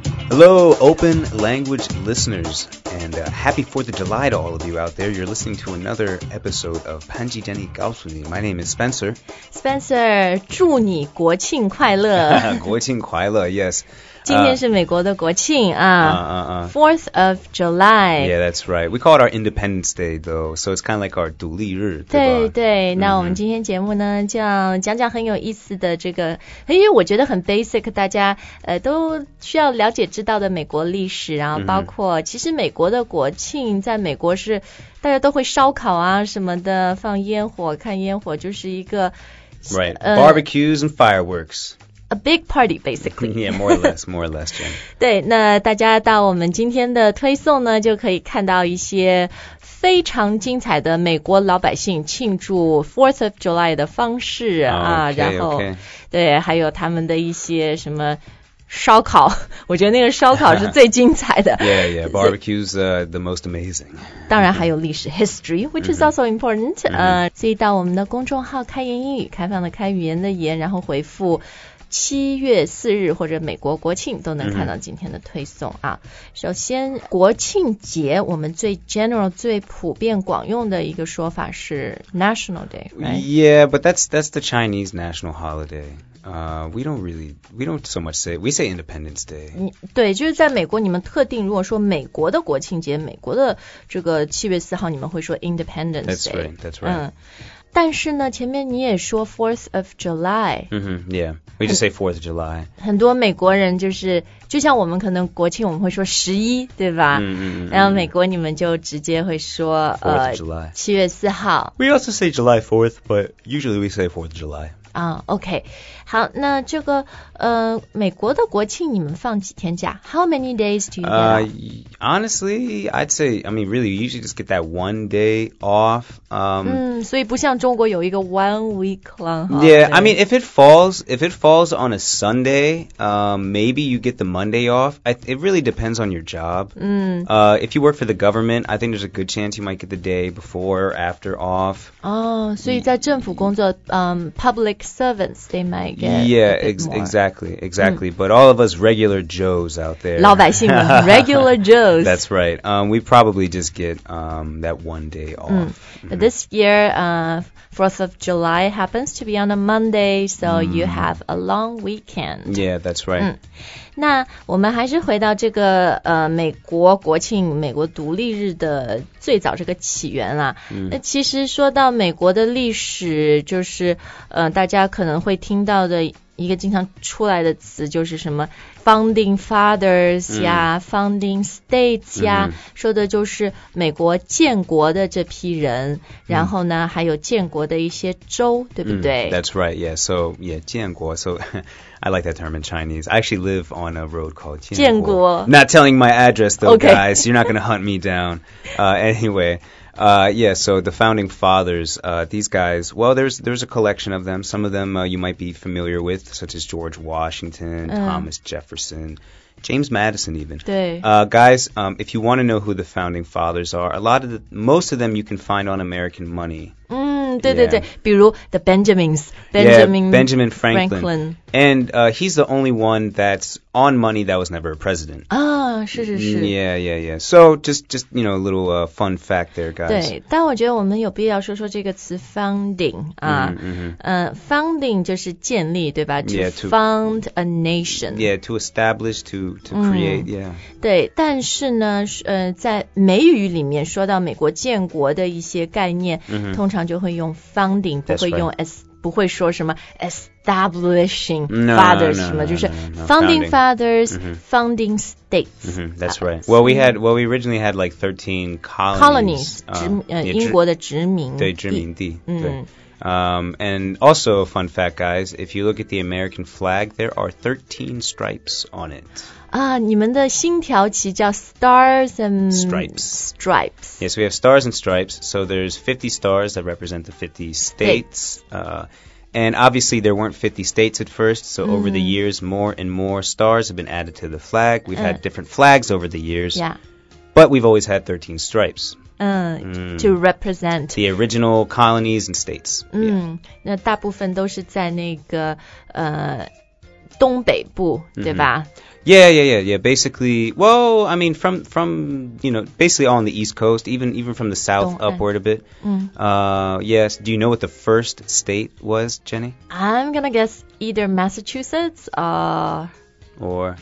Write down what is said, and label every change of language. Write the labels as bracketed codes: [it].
[en] Hello, Open Language listeners, and happy 4th of July to all of you out there. You're listening to another episode of 潘吉杰里告诉你. My name is Spencer. [zh] Spencer, 祝你国庆快乐。国庆快乐, yes. 今天是美国的国庆啊 4th of July. [en] Yeah, that's right. We call it our Independence Day, though. So it's kind of like our [zh] 独立日，对吧？对对，那我们今天节目呢，就要讲讲很有意思的这个，因为我觉得很 basic， 大家都需要了解知道的美国历史，然后包括其实美国的国庆在美国是大家都会烧烤啊什么的，放烟火，看烟火，就是一个 [en] right barbecues and fireworks. A big party, basically. Yeah, more or less, more or less, Jen. [zh] 对，那大家到我们今天的推送呢，就可以看到一些非常精彩的美国老百姓庆祝 4th of July 的方式啊， [en] okay, [zh] 然后、 [en] okay. [zh] 对，还有他们的一些什么烧烤，我觉得那个烧烤是最精彩的。 [en] yeah, yeah, barbecues the most amazing. [zh] 当然还有历史 [en] history, which is also important. [zh] 所以到我们的公众号开言英语，开放的开，语言的言，然后回复七月四日或者美国国庆都能看到今天的推送啊。首先国庆节我们最 general 最普遍广用的一个说法是 National Day、right? [en] Yeah, but that's the Chinese national holiday、We don't so much say We say Independence Day [zh] 对就是在美国你们特定如果说美国的国庆节美国的这个七月四号你们会说 Independence Day [en] That's right、 [zh] 但是呢前面你也说 4th of July、 [en] mm-hmm, Yeah, we just say 4th of July [zh] 很多美国人就是就像我们可能国庆我们会说十一对吧、 mm-hmm. 然后美国你们就直接会说 [en] 4th of July [zh] 7月4号 [en] We also say July 4th but usually we say 4th of July [zh] OK 好那这个美国的国庆你们放几天假 [en] How many days do you get off? Honestly, I'd say, I mean, really, you usually just get that one day off. [zh] 所以不像中国有一个 [en] 1 week long holiday. Yeah, I mean, if it falls on a Sunday, maybe you get the Monday off. It really depends on your job. If you work for the government, I think there's a good chance you might get the day before or after off. [zh] 所以在政府工作 [en] public servants, they might get Exactly. But all of us regular Joes out there. [zh] 老百姓们 [en] regular Joes. That's right. We probably just get that one day off. But this year, 4th of July happens to be on a Monday, so you have a long weekend. Yeah, that's right. [zh] 那我们还是回到这个美国国庆美国独立日的最早这个起源啦、那其实说到美国的历史就是大家可能会听到的一个经常出来的词就是什么 founding fathers 呀、founding states 呀、说的就是美国建国的这批人、然后呢还有建国的一些州对不对、 [en] That's right, yeah, so yeah, 建国 so I like that term in Chinese. I actually live on a road called [zh] 建国 [en] Not telling my address though, guys. You're not going to hunt me down. Anyway, yeah, so the founding fathers, these guys, well, there's a collection of them. Some of them you might be familiar with, such as George Washington, Thomas Jefferson, James Madison even. Guys, if you want to know who the founding fathers are, most of them you can find on American money. [zh] 对对对 yeah. 比如 [en] the Benjamins, [zh] Benjamin [en] Franklin. And he's the only one that's on money that was never a president. [zh] 是是是。 [en] Yeah. So just, you know, a little fun fact there, guys. [zh] 对但我觉得我们有必要说说这个词 founding. Founding 就是建立对吧 [en] To found a nation. Yeah, to establish, to create, yeah. [zh] 对但是呢在美语里面说到美国建国的一些概念、通常就会用 founding, 不会用 establish. 不会说什么 establishing fathers 什么，就是 founding fathers, founding states. [en] That's right. Well, we originally had like 13 colonies. [zh] 英国的殖民地。对，殖民地。 [en] And also, fun fact, guys, if you look at the American flag, there are 13 stripes on it. [zh] 你们的星条旗叫 stars and [en] stripes. Stripes. Yes, we have stars and stripes. So there's 50 stars that represent the 50 states. And obviously, there weren't 50 states at first. So over the years, more and more stars have been added to the flag. We've had different flags over the years. Yeah. But we've always had 13 stripes. to represent the original colonies and states. [zh] 嗯，那大部分都是在那个东北部，对吧？ [en] Yeah. Basically, well, I mean, from you know, basically all on the East Coast, even from the South upward a bit. Yes. Do you know what the first state was, Jenny? I'm gonna guess either Massachusetts or